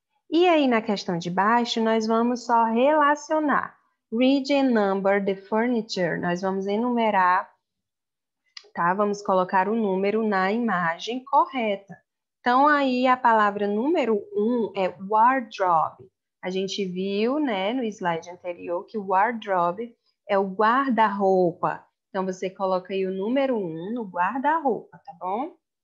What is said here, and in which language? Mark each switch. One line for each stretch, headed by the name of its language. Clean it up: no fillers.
Portuguese: E aí, na questão de baixo, nós vamos só relacionar.
English: Read and number the furniture.
Portuguese: Nós vamos enumerar, tá? Vamos colocar o número na imagem correta. Então, aí, a palavra número 1 é wardrobe. A gente viu, né, no slide anterior que o wardrobe é o guarda-roupa. Então, você coloca aí o número 1 no guarda-roupa, tá bom?